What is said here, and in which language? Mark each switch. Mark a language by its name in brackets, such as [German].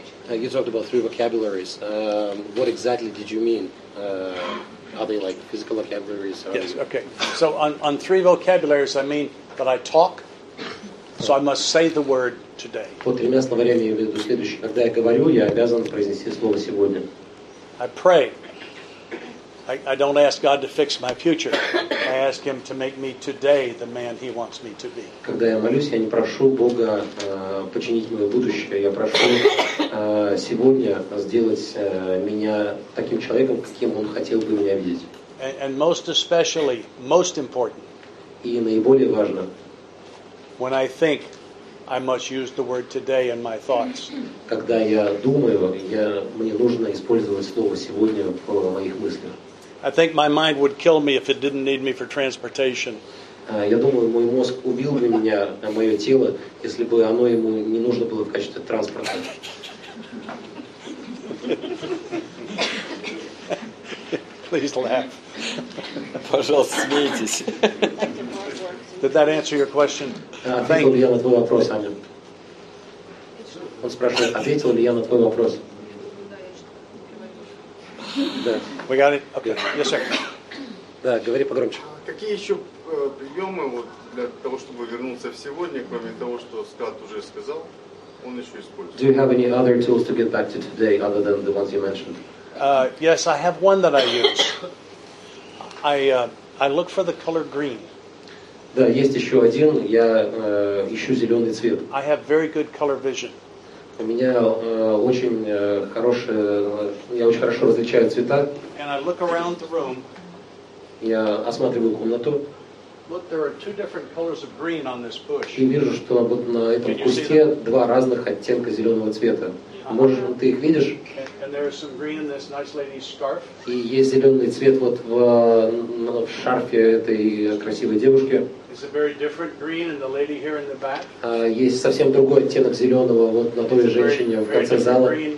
[English] You talked about three vocabularies. What exactly did you mean? Are they like physical vocabularies? Or yes, okay. So on three vocabularies, I mean that I talk, so I must say the word today. [Russian] По тремя словарями я имею в виду следующее. Когда я говорю, я обязан произнести слово сегодня. [English] I pray. I don't ask God to fix my future. I ask Him to make me today the man He wants me to be. [Russian] Когда я молюсь, я не прошу Бога починить мое будущее. Я прошу сегодня сделать меня таким человеком, каким Он хотел бы меня видеть. [English] And most especially, most important. [Russian] И наиболее важно. [English] When I think, I must use the word today in my thoughts. [Russian] Когда я думаю, мне нужно использовать слово сегодня в моих мыслях. [English] I think my mind would kill me if it didn't need me for transportation. [Russian] Я думаю, мой мозг убил бы меня, а мое тело, если бы оно ему не нужно было в качестве транспорта. [English] Please laugh. [Russian] Пожалуйста, смейтесь. [English] Did that answer your question? [Russian] Ответил ли я на твой вопрос, Аня? Он спрашивает, ответил ли я на твой вопрос? [English] We got it. Okay. Yes, sir. [Russian] Да, говори погромче. Какие еще приемы вот для того, чтобы вернуться в сегодня, кроме того, что Скат уже сказал, он еще использует? [English] Do you have any other tools to get back to today other than the ones you mentioned? Yes, I have one that I use. I look for the color green. [Russian] Да, есть еще один. Я ищу зеленый цвет. [English] I have very good color vision. [Russian] У меня очень хорошее, я очень хорошо различаю цвета. [English] And I look around the room. [Russian] Я осматриваю комнату. [English] Look, there are two different colors of green on this bush. [Russian] И вижу, что вот на этом кусте два разных оттенка зеленого цвета. Может, ты их видишь? [English] And there is some green in this nice lady's scarf. [Russian] И есть зеленый цвет вот в шарфе этой красивой девушки. [English] It's a very different green in the lady here in the back. [Russian] Есть совсем другой оттенок зеленого вот на той женщине в конце зала.